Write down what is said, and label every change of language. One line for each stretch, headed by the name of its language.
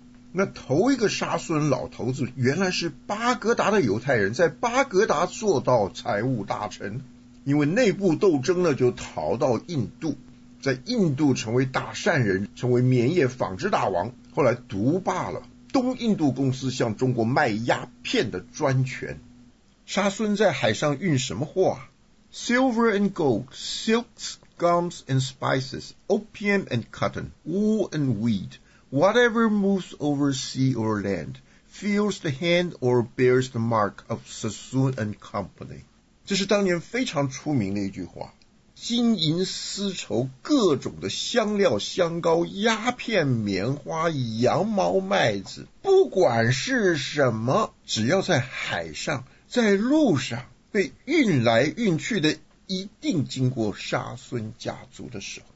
Chinese: 那头一个沙孙老头子原来是巴格达的犹太人，在巴格达做到财务大臣，因为内部斗争呢，就逃到印度，在印度成为大善人，成为棉业纺织大王，后来独霸了东印度公司向中国卖鸦片的专权。沙孙在海上运什么货啊？
English: Silver and gold, silks, gums and spices, opium and cotton, wool and weed. Whatever moves over sea or land, feels the hand or bears the mark of Sassoon and Company.
Chinese: 这是当年非常出名的一句话。金银丝绸、各种的香料、香膏、鸦片、棉花、羊毛、麦子，不管是什么，只要在海上、在路上被运来运去的，一定经过沙孙家族的手。